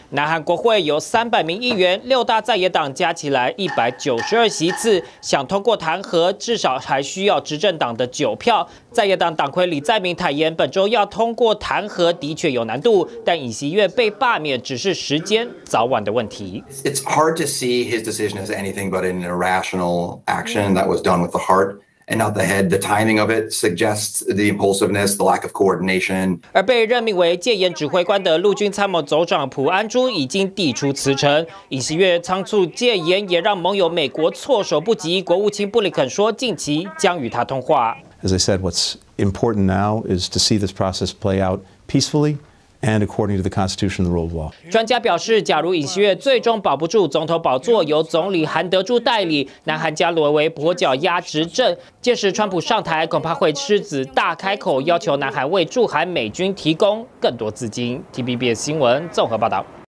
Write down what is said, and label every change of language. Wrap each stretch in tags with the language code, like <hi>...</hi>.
<zh>南韩国会有300名议员，6大在野党加起来192席次，想通过弹劾，至少还需要执政党的9票。在野党党魁李在明坦言，本周要通过弹劾的确有难度，但尹锡悦被罢免只是时间早晚的问题。</zh> <en>It's hard to see his decision as anything but an irrational action that was done with the heart. And not the head, the timing of it suggests the impulsiveness, the lack of coordination.</en> <zh>而被任命为戒严指挥官的陆军参谋总长朴安珠已经递出辞呈。尹锡悦仓促戒严也让盟友美国措手不及。国务卿布林肯说，近期将与他通话。</zh> <en>As I said, what's important now is to see this process play out peacefully. And according to the Constitution, the rule of law.</en> <zh>专家表示，假如尹锡悦最终保不住总统宝座，由总理韩德柱代理，南韩将沦为跛脚鸭执政。届时，川普上台恐怕会狮子大开口，要求南韩为驻韩美军提供更多资金。TVBS 新闻综合报道。</zh>